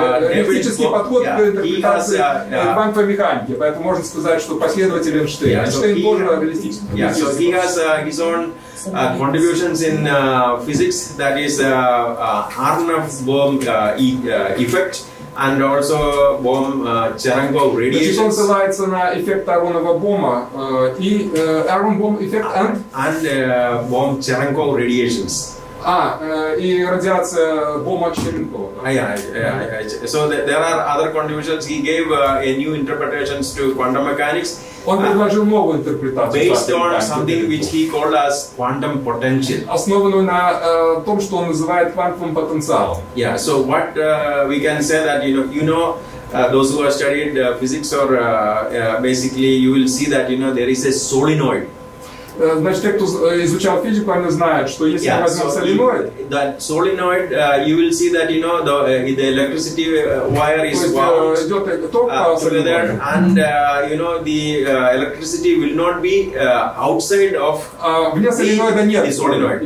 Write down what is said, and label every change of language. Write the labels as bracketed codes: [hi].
[ru] Реалистический подход к интерпретации квантовой механики. Поэтому можно сказать, что последователь Эйнштейна. Эйнштейн тоже реалистический. [en] Yeah, so he has his own contributions in physics, that is Arnav-Bohm effect, and also Bohm Cherenkov radiation. [ru] Значит, он ссылается на эффект Арнава-Бома и Арнав-Бом effect [en] and Bohm Cherenkov radiations. [ru] И радиация Бома-Черенкова. [en] So there are other contributions. He gave a new interpretations to quantum mechanics. [ru] Он предложил новую интерпретацию. [en] Based on something which he called as quantum potential. [ru] Основанную на том, что он называет квантовым потенциалом. [en] Yeah. So what we can say that, you know, those who have studied physics or basically you will see that, you know, there is a solenoid. [ru] Значит, те, кто изучал физику, они знают, что если мы возьмем соленоид, [en] that solenoid, you will see that, you know, the electricity wire is wound together, and you know, the electricity will not be outside of the solenoid.